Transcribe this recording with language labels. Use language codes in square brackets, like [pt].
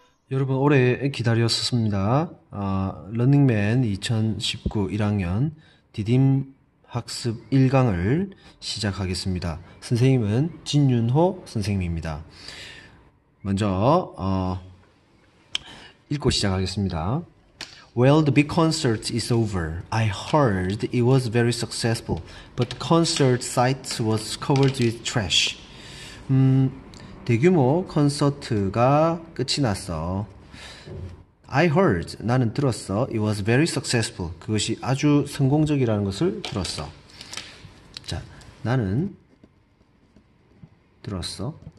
[ko] 여러분, 오래 기다렸었습니다. 러닝맨 2019 1학년 디딤 학습 1강을 시작하겠습니다. 선생님은 진윤호 선생님입니다. 먼저 읽고 시작하겠습니다. [en] Well, the big concert is over. I heard it was very successful, but the concert site was covered with trash. [ko] 대규모 콘서트가 끝이 났어. [en] I heard, [ko] 나는 들었어. [en] It was very successful. [ko] 그것이 아주 성공적이라는 것을 들었어. 자, 나는 들었어.